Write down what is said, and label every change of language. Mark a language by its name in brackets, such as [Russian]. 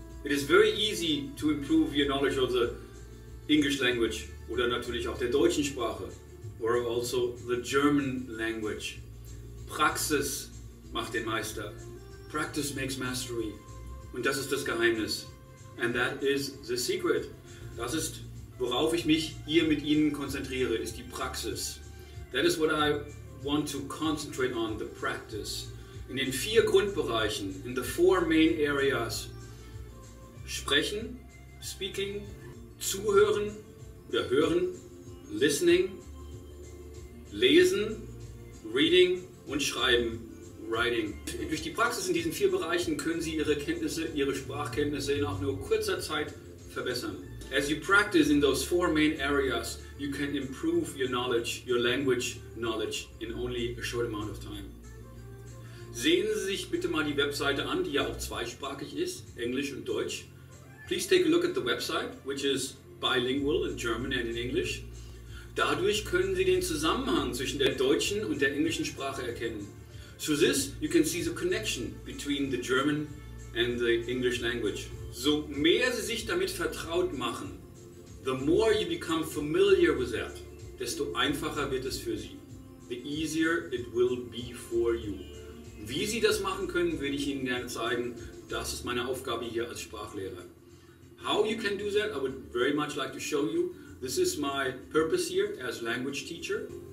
[English] It is very easy to improve your knowledge of the English language [German] oder natürlich auch der deutschen Sprache [English] or also the German language. [German] Praxis macht den Meister. [English] Practice makes mastery. [German] Und das ist das Geheimnis. [English] And that is the secret. [German] Das ist, worauf ich mich hier mit Ihnen konzentriere, ist die Praxis. [English] That is what I want to concentrate on, the practice. [German] In den vier Grundbereichen, [English] in the four main areas, [German] sprechen, speaking, zuhören oder hören, listening, lesen, reading und schreiben, writing. Durch die Praxis in diesen vier Bereichen können Sie Ihre Kenntnisse, Ihre Sprachkenntnisse in auch nur kurzer Zeit verbessern. [English] As you practice in those four main areas, you can improve your knowledge, your language knowledge in only a short amount of time. [German] Sehen Sie sich bitte mal die Webseite an, die ja auch zweisprachig ist, Englisch und Deutsch. [English] Please take a look at the website, which is bilingual in German and in English. [German] Dadurch können Sie den Zusammenhang zwischen der deutschen und der englischen Sprache erkennen. [English] Through this, you can see the connection between the German and the English language. [German] So mehr Sie sich damit vertraut machen, [English] the more you become familiar with that, [German] desto einfacher wird es für Sie. [English] The easier it will be for you. [German] Wie Sie das machen können, würde ich Ihnen gerne zeigen. Das ist meine Aufgabe hier als Sprachlehrer. [English] How you can do that, I would very much like to show you. This is my purpose here as language teacher.